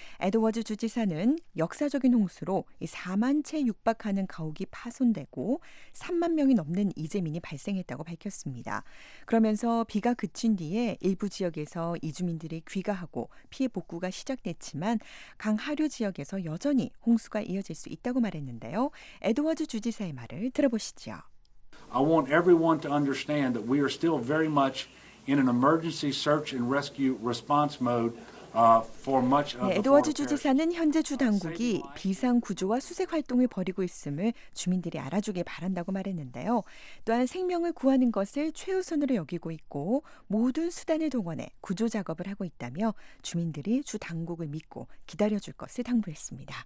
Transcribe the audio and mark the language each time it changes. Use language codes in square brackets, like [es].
[ko] 에드워즈 주지사는 역사적인 홍수로 4만 채 육박하는 가옥이 파손되고 3만 명이 넘는 이재민이 발생했다고 밝혔습니다. 그러면서 비가 그친 뒤에 일부 지역에서 이주민들이 귀가하고 피해 복구가 시작됐지만 강 하류 지역에서 여전히 홍수가 이어질 수 있다고 말했는데요. 에드워즈 주지사의 말을 들어보시죠. [en] I want everyone to understand that we are still very much in an emergency search and rescue response mode. [ko] 네, 에드워즈 주지사는 현재 주 당국이 비상 구조와 수색 활동을 벌이고 있음을 주민들이 알아주길 바란다고 말했는데요. 또한 생명을 구하는 것을 최우선으로 여기고 있고 모든 수단을 동원해 구조 작업을 하고 있다며 주민들이 주 당국을 믿고 기다려줄 것을 당부했습니다.